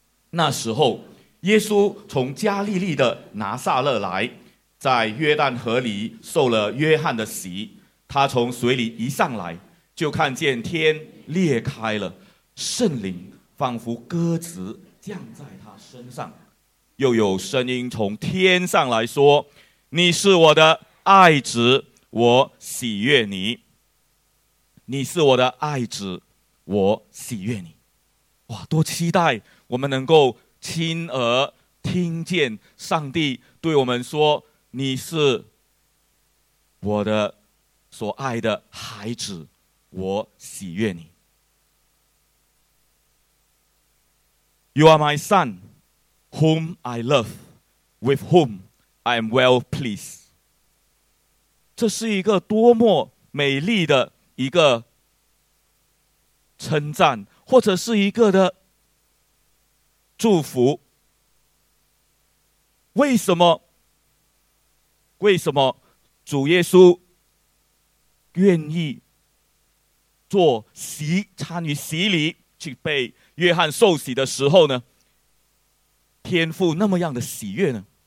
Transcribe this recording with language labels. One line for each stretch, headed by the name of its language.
Chinese: 那时候耶稣从加利利的拿撒勒来，在约旦河里受了约翰的洗，他从水里一上来，就看见天裂开了，圣灵仿佛鸽子降在他身上，又有声音从天上来说，你是我的爱子，我喜悦你，你是我的爱子，我喜悦你。哇，多期待我们能够亲耳听见上帝对我们说，你是我的所爱的孩子，我喜悦你。
English: You are my son, whom I love, with whom I am well pleased.
Chinese: 这是一个多么美丽的一个称赞，或者是一个的祝福。为什么主耶稣愿意做洗，参与洗礼，去被约翰受洗的时候呢，天父那么样的喜悦呢？